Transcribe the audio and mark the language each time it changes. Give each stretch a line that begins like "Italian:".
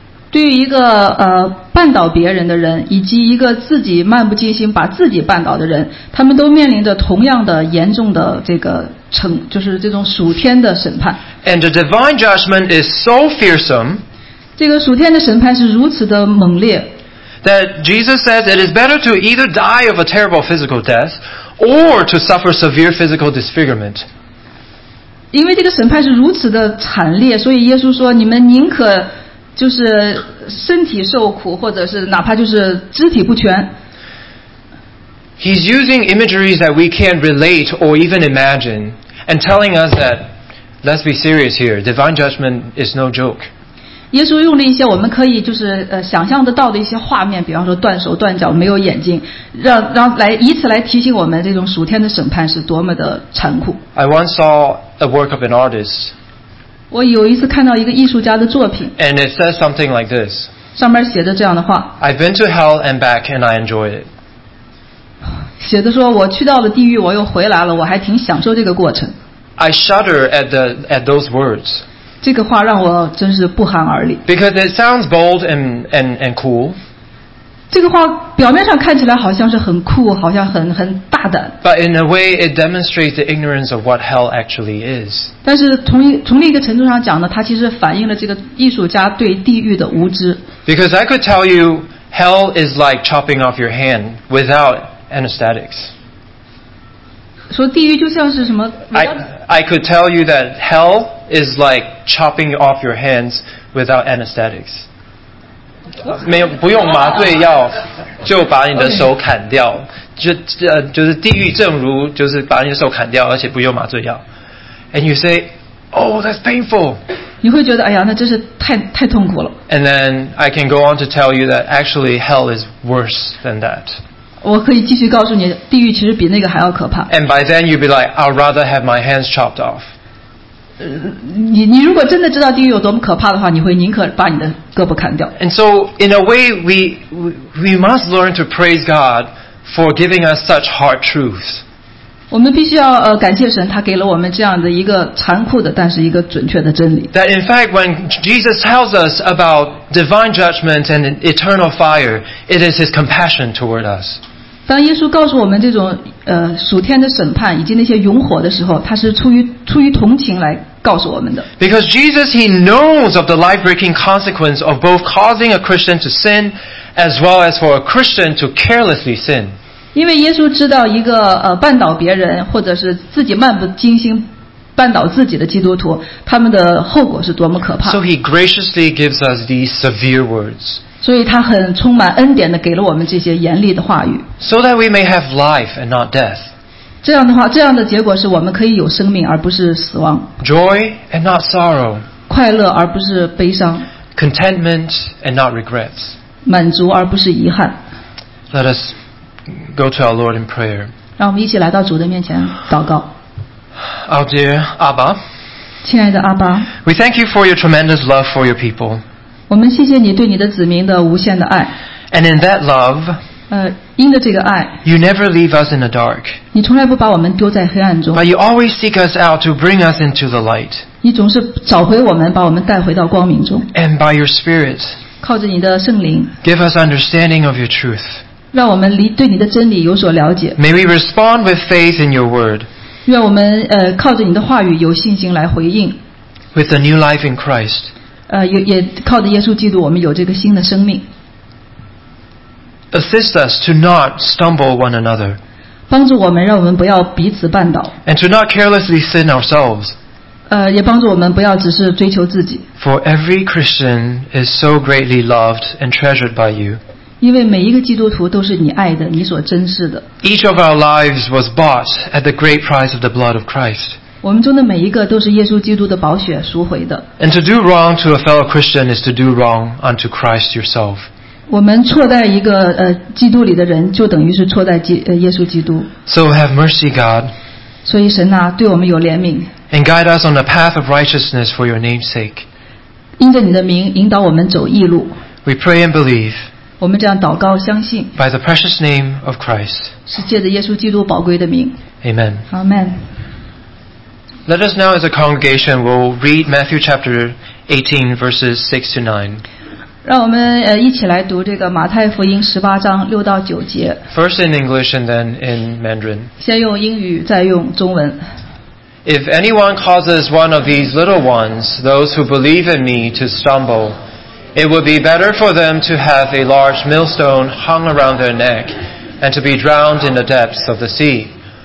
Chinese: 对于一个绊倒别人的人，以及一个自己漫不经心把自己绊倒的人，他们都面临着同样的严重的这个就是这种属天的审判。
English: And the divine judgment is so fearsome.
Chinese: 这个属天的审判是如此的猛烈。
English: That Jesus says it is better to either die of a terrible physical death or to suffer severe physical disfigurement.
Chinese: 因为这个审判是如此的惨烈，所以耶稣说你们宁可就是身体受苦，或者是哪怕就是肢体不全。
English: He's using imagery that we can't relate or even imagine and telling us that, let's be serious here, divine judgment is no joke.
Chinese: 耶稣用了一些我们可以就是想象得到的一些画面，比方说断手断脚没有眼睛，让来以此来提醒我们这种属天的审判是多么的残酷。
English: I once saw a work of an artist.
Chinese: 我有一次看到一个艺术家的作品。
English: And it says something like this.
Chinese: 上面写的这样的话。
English: I've been to hell and back and I enjoy it.
Chinese: 写的说我去到了地狱，我又回来了，我还挺享受这个过程。
English: I shudder at those words.
Chinese: 这个话让我真是不寒而栗。
English: Because it sounds bold and cool.
Chinese: 这个话表面上看起来好像是很酷，好像很大胆。
English: But in a way, it demonstrates the ignorance of what hell actually is.
Chinese: 但是从另一个程度上讲呢，它其实反映了这个艺术家对地狱的无知。
English: Because I could tell you, hell is like chopping off your hand without anesthetics.
Chinese: 说地狱就像是什么
English: I could tell you that hell is like chopping off your hands without anesthetics.
Chinese: 没有不用麻醉药就把你的手砍掉、
English: okay.
Chinese: 就是地狱正如就是把你的手砍掉而且不用麻醉药
English: And you say, oh, that's painful.
Chinese: 你会觉得哎呀那真是太痛苦了
English: And then I can go on to tell you that actually hell is worse than that.
Chinese: 我可以继续告诉你，地狱其实比那个还要可怕。
English: And by then you'd be like, I'd rather have my hands chopped off.
Chinese: 你如果真的知道地狱有多么可怕的话，你会宁可把你的胳膊砍掉。
English: And so, in a way, we must learn to praise God for giving us such hard truths.
Chinese: 我们必须要感谢神，他给了我们这样的一个残酷的，但是一个准确的真理。
English: That in fact, when Jesus tells us about divine judgment and eternal fire, it is His compassion toward us.
Chinese: 当耶稣告诉我们这种属天的审判以及那些永火的时候，他是出于同情来告诉我们的。
English: Because Jesus, he knows of the life-breaking consequence of both causing a Christian to sin, as well as for a Christian to carelessly sin.
Chinese: 因为耶稣知道一个绊倒别人或者是自己漫不经心绊倒自己的基督徒，他们的后果是多么可怕。
English: So he graciously gives us these severe words.
Chinese: 所以他很充满恩典地给了我们这些严厉的话语。
English: So that we may have life and not death.
Chinese: 这样的话，这样的结果是我们可以有生命而不是死亡。
English: Joy and not sorrow.
Chinese: 快乐而不是悲伤。
English: Contentment and not regrets.
Chinese: 满足而不是遗憾。
English: Let us go to our Lord in prayer.
Chinese: 让我们一起来到主的面前祷告。
English: Our dear Abba.
Chinese: 亲爱的阿爸。
English: We thank you for your tremendous love for your people.
Chinese: 我们谢谢你对你的子民的无限的爱。
English: And in that love,
Chinese: 因着这个爱
English: ，you never leave us in the dark.
Chinese: 你从来不把我们丢在黑暗中。
English: But you always seek us out to bring us into the light.
Chinese: 你总是找回我们，把我们带回到光明中。
English: And by your Spirit,
Chinese: 靠着你的圣灵
English: ，give us understanding of your truth.
Chinese: 让我们对你的真理有所了解。
English: May we respond with faith in your word.
Chinese: 愿我们靠着你的话语有信心来回应。
English: With a new life in Christ.
Chinese: 也靠着耶稣基督我们有这个新的生命
English: assist us to not stumble one another
Chinese: 帮助我们让我们不要彼此绊倒
English: and to not carelessly sin ourselves
Chinese: 也帮助我们不要只是追求自己
English: for every Christian is so greatly loved and treasured by you
Chinese: 因为每一个基督徒都是你爱的你所珍视的
English: each of our lives was bought at the great price of the blood of Christ
Chinese: 我们中的每一个都是耶稣基督的宝血赎回的。
English: And to do wrong to a fellow Christian is to do wrong unto Christ yourself.
Chinese: 我们错待一个基督里的人，就等于是错待耶稣基督。
English: So have mercy, God.
Chinese: 所以神啊，对我们有怜悯。
English: And guide us on the path of righteousness for your name's sake.
Chinese: 因着你的名，引导我们走义路。
English: We pray and believe.
Chinese: 我们这样祷告相信。
English: By the precious name of Christ.
Chinese: 是借着耶稣基督宝贵的名。
English: Amen. Amen. Let us now as a congregation we'll read Matthew chapter 18 verses 6 to 9.
Chinese: 让我们一起来读这个马太福音十八章六到九节。
English: First in English and then in Mandarin.
Chinese: 先用英语再用中文。
English: If anyone causes one of these little ones, those who believe in me, to stumble, it would be better for them to have a large millstone hung around their neck and to be drowned in the depths of the sea.